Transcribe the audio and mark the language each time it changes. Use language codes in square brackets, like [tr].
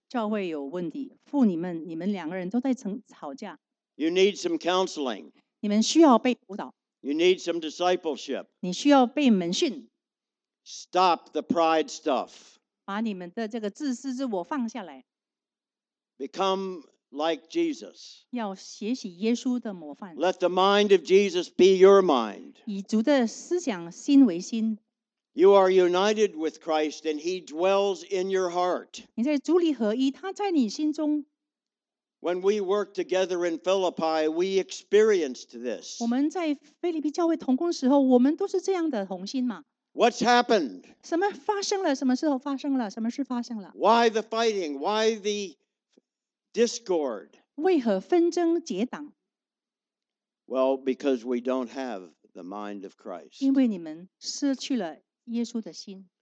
[zh] 教会有问题，妇女们，你们两个人都在吵架。 [en] You need some counseling. [zh] 你们需要被辅导。 [en] You need some discipleship. [zh] 你需要被门训。 [en] Stop the pride stuff. [zh] 把你们的这个自私自我放下来。 [en] Become like Jesus. [zh] 要学习耶稣的模范。 [en] Let the mind of Jesus be your mind. [zh] 以主的思想心为心。 [en] You are united with Christ and He dwells in your heart. [zh] 你在主里合一，他在你心中。 [en] When we work together in Philippi, we experienced this. [zh] 我们在腓立比教会同工时候，我们都是这样的同心嘛。 [en] What's happened? [zh] 什么发生了？什么时候发生了？什么事发生了？ [en] Why the fighting? Why the discord? [zh] 为何纷争结党？ [en] Well, because we don't have the mind of Christ. [zh] 因为你们失去了耶稣的心。